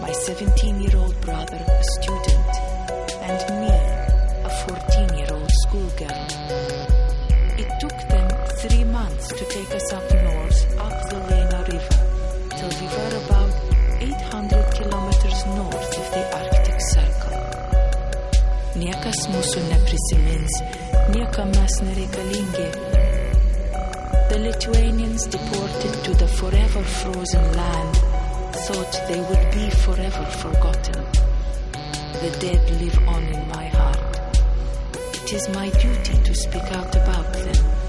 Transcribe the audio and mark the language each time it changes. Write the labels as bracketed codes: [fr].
[en] My 17-year-old brother, a student. And Mir, a 14-year-old schoolgirl. It took them 3 months to take us up north, up the Lena River, till we were about 800 kilometers north of the Arctic Circle. [lt] Niekas mūsų neprisimins, niekam mes nereikalingi. [en] The Lithuanians deported to the forever frozen land thought they would be forever forgotten. The dead live on in my heart. It is my duty to speak out about them.